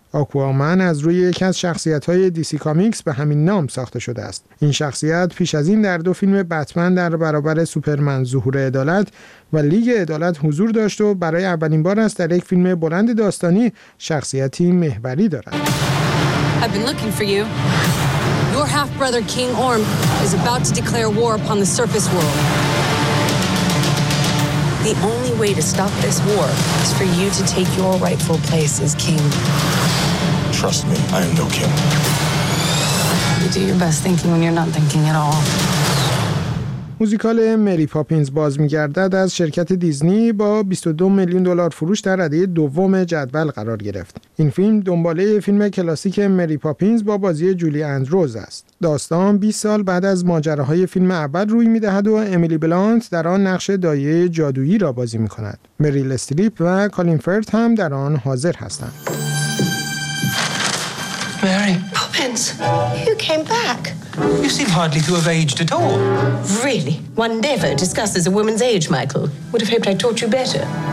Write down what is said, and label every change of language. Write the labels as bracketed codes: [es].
[fa] آکوامن از روی یکی از شخصیت‌های دی‌سی کامیکس به همین نام ساخته شده است. این شخصیت پیش از این در دو فیلم بتمن در برابر سوپرمن ظهور عدالت و لیگ عدالت حضور داشت و برای اولین بار است در یک فیلم بلند داستانی شخصیتی محوری دارد. [en] I've been looking for you. Your half-brother King Orm is about to declare war upon the surface world. The only way to stop this war is for you to take your rightful place as king. Trust me, I am no king. You do your best thinking when you're not thinking at all. [fa] موزیکال مری پاپینز باز می‌گردد از شرکت دیزنی با 22 میلیون دلار فروش در رده دوم جدول قرار گرفت. این فیلم دنباله فیلم کلاسیک مری پاپینز با بازی جولی اندروز است. داستان 20 سال بعد از ماجراهای فیلم اول روی می‌دهد و امیلی بلانت در آن نقش دایه جادویی را بازی می‌کند. مریل استریپ و کالین فرت هم در آن حاضر هستند. [en] Mary Poppins, you came back. You seem hardly to have aged at all. Really? One never discusses a woman's age, Michael. Would have hoped I taught you better.